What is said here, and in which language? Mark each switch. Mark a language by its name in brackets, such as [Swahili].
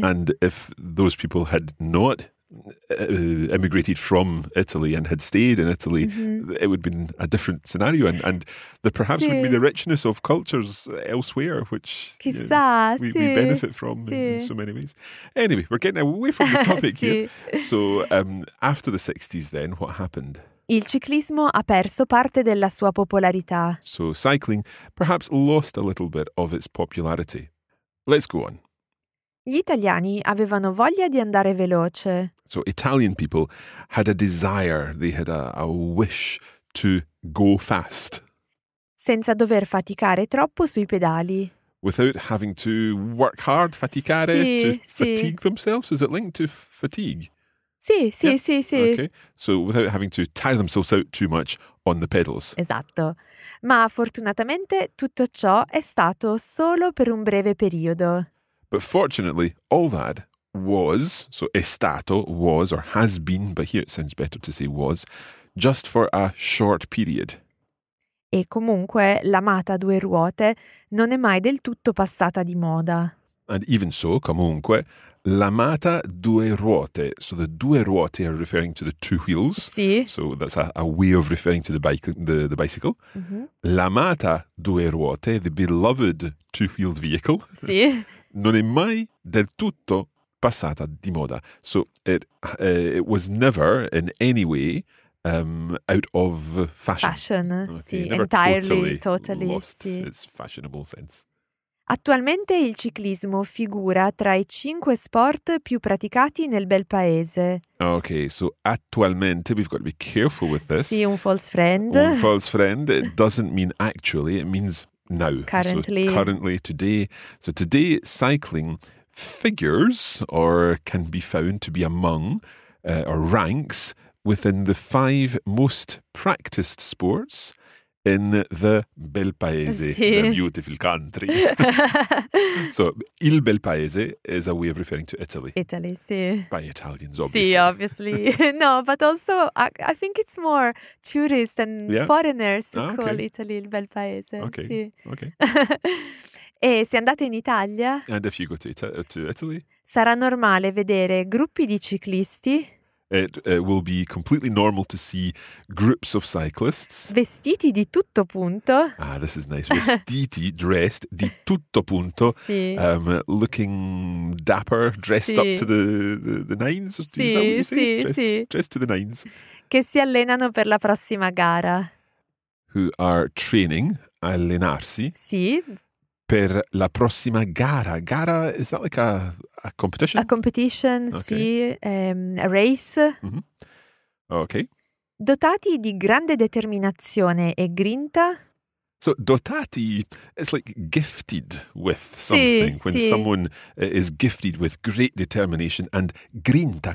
[English] And if those people had not emigrated from Italy and had stayed in Italy, mm-hmm. it would have been a different scenario, and there perhaps would be the richness of cultures elsewhere, which we benefit from in so many ways. Anyway, we're getting away from the topic here. So after the 60s then, what happened? [Italian] Il ciclismo ha perso parte della sua popolarità. [English] So cycling perhaps lost a little bit of its popularity. Let's go on. [Italian] Gli italiani avevano voglia di andare veloce. [English] So Italian people had a desire, they had a wish to go fast. [Italian] Senza dover faticare troppo sui pedali. [English] Without having to work hard, faticare, fatigue themselves? Is it linked to fatigue? [Italian] Sì. [English] Okay, so without having to tire themselves out too much on the pedals. [Italian] Esatto. Ma fortunatamente tutto ciò è stato solo per un breve periodo. [English] But fortunately, all that was, so [Italian] è stato, [English] was, or has been, but here it sounds better to say was, just for a short period. [Italian] E comunque l'amata due ruote non è mai del tutto passata di moda. [English] And even so, comunque, [Italian] l'amata due ruote, [English] so the due ruote are referring to the two wheels. [Italian] Sì. [English] So that's a way of referring to the bicycle. Mm-hmm. [Italian] L'amata due ruote, [English] the beloved two-wheeled vehicle. [Italian] Sì. Non è mai del tutto passata di moda. [English] So it was never in any way out of fashion. Fashion, okay. [Italian] Sì, [English] never entirely, totally lost [Italian] sì. [English] its fashionable sense. [Italian] Attualmente il ciclismo figura tra i cinque sport più praticati nel bel paese. [English] Okay, so attualmente, we've got to be careful with this. [Italian] Sì, un [English] false friend. Un false friend, it doesn't mean actually, it means now. Currently. So currently, today. So today, cycling figures or can be found to be among or ranks within the five most practiced sports in the bel paese, [Italian] sì. [English] the beautiful country. So [Italian] il bel paese [English] is a way of referring to Italy. Italy, sì. By Italians, obviously. Sì, obviously. No, but also I think it's more tourists and foreigners who call Italy [Italian] il bel paese. [English] Okay. [Italian] Sì. [English] Okay. [Italian] E se andate in Italia? [English] And if you go to Italy? [Italian] Sarà normale vedere gruppi di ciclisti. [English] It will be completely normal to see groups of cyclists. [Italian] Vestiti di tutto punto. [English] Ah, this is nice. [Italian] Vestiti, [English] dressed, [Italian] di tutto punto. Sì. [English] Looking dapper, dressed up to the nines. [Italian] Sì, [English] is that what you say? Dressed to the nines. [Italian] Che si allenano per la prossima gara. [English] Who are training, allenarsi. [Italian] Sì. Per la prossima gara. [English] Gara, is that like a competition? A competition, okay. Sì. A race. Mm-hmm. Okay. [Italian] Dotati di grande determinazione e grinta. [English] So, dotati, it's like gifted with something. [Italian] Sì, [English] when [Italian] sì. [English] someone is gifted with great determination and grinta.